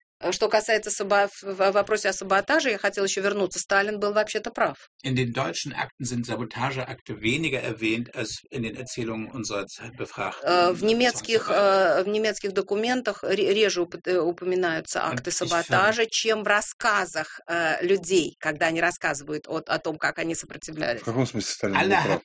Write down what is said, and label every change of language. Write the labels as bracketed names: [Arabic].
[Russian] Что касается вопроса о саботаже, я хотел еще вернуться. Сталин был вообще-то прав. [German] In den deutschen Akten sind Sabotageakte weniger erwähnt als in den Erzählungen unserer Befragten. [Russian] В немецких документах реже упоминаются акты саботажа, чем в рассказах людей, когда они рассказывают о том, как они сопротивлялись. В каком смысле Сталин был прав?